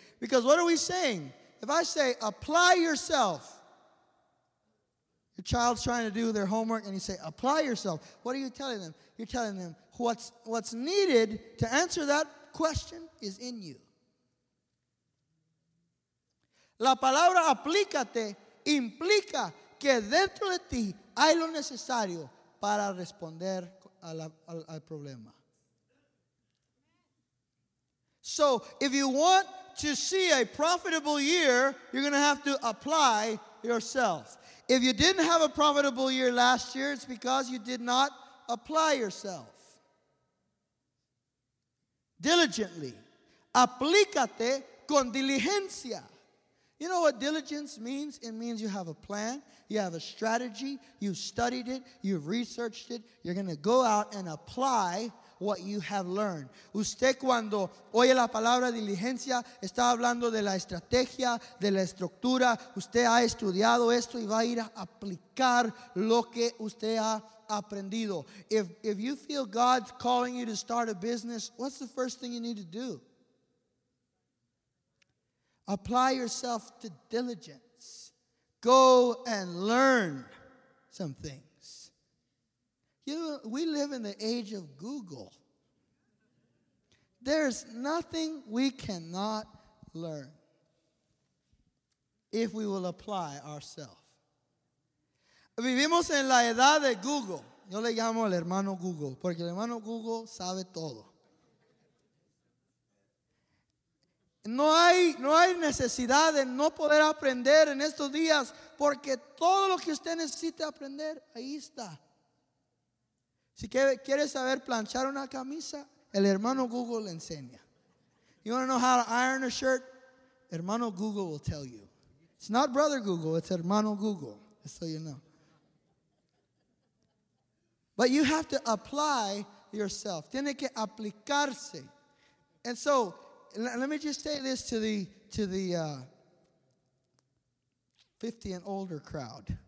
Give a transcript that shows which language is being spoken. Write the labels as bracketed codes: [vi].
[en] Because what are we saying? If I say, apply yourself, The child's trying to do their homework, and you say, apply yourself. What are you telling them? You're telling them what's needed to answer that question is in you. [es] La palabra aplícate implica que dentro de ti hay lo necesario para responder al problema. [en] So if you want to see a profitable year, you're going to have to apply yourself. If you didn't have a profitable year last year, it's because you did not apply yourself diligently. [es] Aplícate con diligencia. [en] You know what diligence means? It means you have a plan, you have a strategy, you've studied it, you've researched it, you're going to go out and apply what you have learned. [es] Usted cuando oye la palabra diligencia, está hablando de la estrategia, de la estructura. Usted ha estudiado esto y va a ir a aplicar lo que usted ha aprendido. [en] If you feel God's calling you to start a business, what's the first thing you need to do? Apply yourself to diligence. Go and learn some things. You know, we live in the age of Google. There's nothing we cannot learn if we will apply ourselves. [es] Vivimos en la edad de Google. Yo le llamo el hermano Google, porque el hermano Google sabe todo. No hay necesidad de no poder aprender en estos días, porque todo lo que usted necesite aprender, ahí está. Si quiere saber planchar una camisa, el hermano Google le enseña. [en] You want to know how to iron a shirt? Hermano Google will tell you. It's not brother Google, it's hermano Google, just so you know. But you have to apply yourself. [es] Tiene que aplicarse. [en] And so, let me just say this to the 50 and older crowd.